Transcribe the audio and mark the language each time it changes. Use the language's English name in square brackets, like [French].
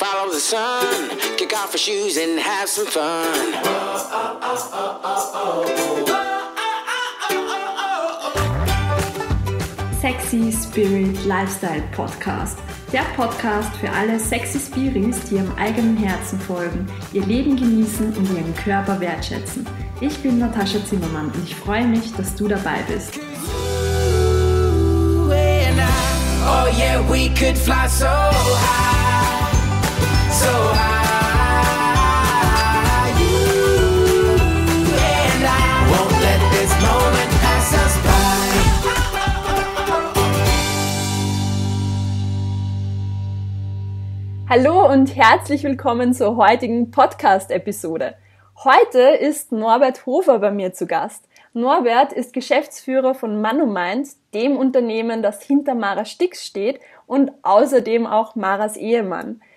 [English] the sun, kick off your shoes and have some fun. Sexy Spirit Lifestyle Podcast. [German] Der Podcast für alle sexy Spirits, die ihrem eigenen Herzen folgen, ihr Leben genießen und ihren Körper wertschätzen. Ich bin Natascha Zimmermann und ich freue mich, dass du dabei bist. [English] Oh yeah, we could fly so high, so high. You and I won't let this moment pass us by. [German] Hallo und herzlich willkommen zur heutigen Podcast-Episode. Heute ist Norbert Hofer bei mir zu Gast. Norbert ist Geschäftsführer von Manumind, dem Unternehmen, das hinter Mara Stix steht und außerdem auch Maras Ehemann.